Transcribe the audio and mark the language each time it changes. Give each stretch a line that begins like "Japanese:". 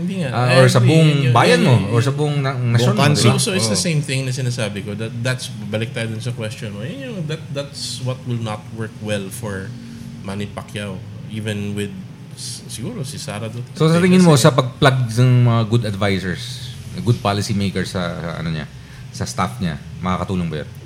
Filipino: Hindi or sa buong bayan mo, or sa buong nasyon mo. So, so it's the same thing na sinasabi ko. That's, balik tayo dun sa question mo.
English: Yun, that's what will not work well for Manny Pacquiao. Even with, siguro, si Sara Duterte.
Filipino: So sa tingin mo, sa pag-plug ng mga good advisors, good policy maker sa ano niya, sa staff niya, makakatulong ba yan?